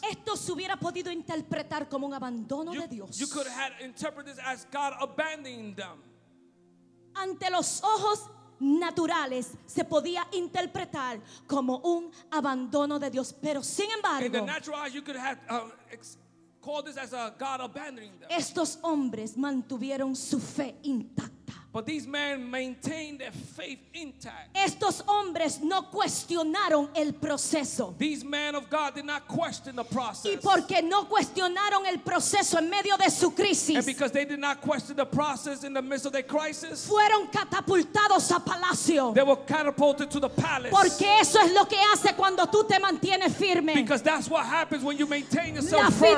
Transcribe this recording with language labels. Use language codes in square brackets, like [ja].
[es] esto se hubiera podido interpretar como un abandono de Dios. [en] You could have interpreted this as God abandoning them. [es] Ante los ojos naturales se podía interpretar como un abandono de Dios, pero sin embargo, [en] in the natural eyes, you could have called this as a God abandoning them. [es] Estos hombres mantuvieron su fe intacta. [en] But these men maintained their faith intact. [es] Estos hombres no cuestionaron el proceso. [en] These men of God did not question the process. [es] Y porque no cuestionaron el proceso en medio de su crisis. [en] And because they did not question the process in the midst of their crisis. [es] Fueron catapultados a palacio. [en] They were catapulted to the palace. [es] Porque eso es lo que hace cuando tú te mantienes firme. [en] Because that's what happens when you maintain yourself firm.